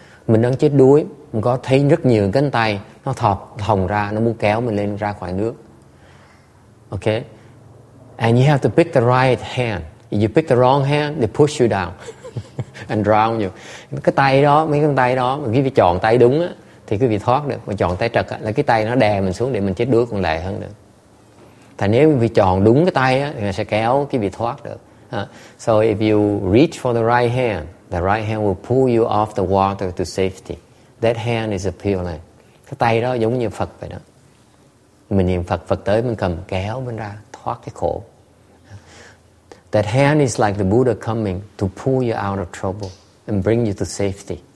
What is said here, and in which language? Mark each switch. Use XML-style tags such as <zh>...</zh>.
<vi>Mình đang chết đuối, mình có thấy rất nhiều cánh tay nó thọp hồng ra, nó muốn kéo mình lên ra khỏi nước.</vi> <en>Okay, and you have to pick the right hand. If you pick the wrong hand, they push you down and drown you.</en> <vi>Cái tay đó, mấy cái tay đó mà quý vị chọn tay đúng á thì quý vị thoát được, mà chọn tay trật á là cái tay nó đè mình xuống để mình chết đuối còn lẹ hơn được. Thành nếu quý vị chọn đúng cái tay á thì sẽ kéo quý vị thoát được.</vi> <en>So if you reach for the right hand will pull you off the water to safety. That hand is a pure land.</en> <vi>Cái tay đó giống như Phật vậy đó. Mình niệm Phật, Phật tới mình cầm kéo mình ra thoát cái khổ.</vi> <en>That hand is like the Buddha coming to pull you out of trouble and bring you to safety.</en>